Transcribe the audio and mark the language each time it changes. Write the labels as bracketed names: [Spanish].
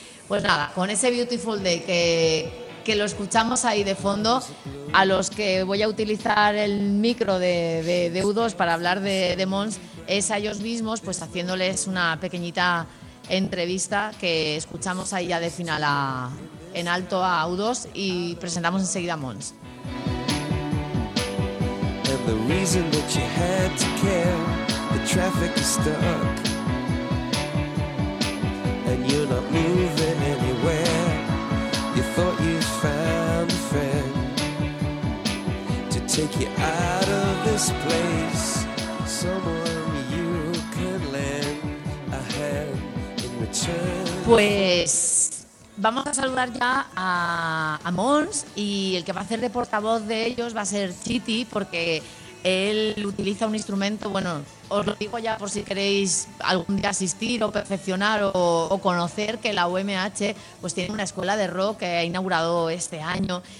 [Spanish] Pues nada, con ese Beautiful Day que lo escuchamos ahí de fondo, a los que voy a utilizar el micro de U2 para hablar de Mons, es a ellos mismos, pues haciéndoles una pequeñita entrevista que escuchamos ahí ya de final en alto a U2 y presentamos enseguida a Mons. [English] And the reason that you had to care, the traffic is stuck. And you're not moving anywhere. You thought you found a friend to take you out of this place. Someone you could lend a hand in return. [Spanish] Pues vamos a saludar ya a Mons, y el que va a hacer de portavoz de ellos va a ser Chiti, porque él utiliza un instrumento, bueno, os lo digo ya por si queréis algún día asistir o perfeccionar o conocer, que la UMH pues tiene una escuela de rock que ha inaugurado este año.